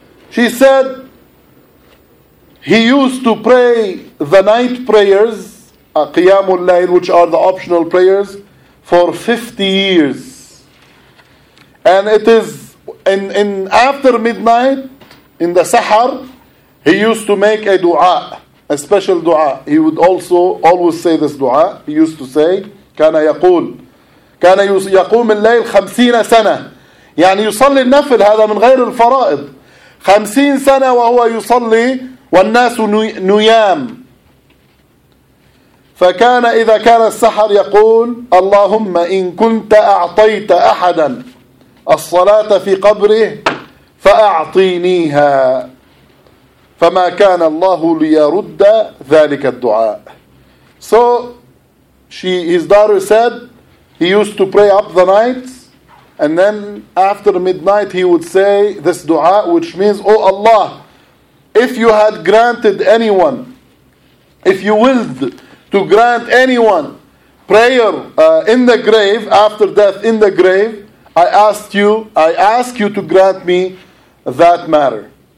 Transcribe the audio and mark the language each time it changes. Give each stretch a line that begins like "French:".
English: She said, he used to pray the night prayers, Qiyamul Layl, which are the optional prayers, for 50 years. And it is In after midnight, in the Sahar, he used to make a dua, a special dua. He would also always say this dua. He used to say,
Arabic: كان يقول كان يقوم الليل 50 سنة يعني يصلي النفل هذا من غير الفرائض 50 سنة وهو يصلي والناس نيام فكان إذا كان السحر يقول اللهم إن كنت أعطيت أحدا الصلاة في قبره فأعطينيها فما كان الله ليرد ذلك الدعاء.
English: So his daughter said he used to pray up the night and then after midnight he would say this dua, which means, oh Allah, if you had granted anyone, if you willed to grant anyone prayer in the grave, after death in the grave, I ask you to grant me that matter.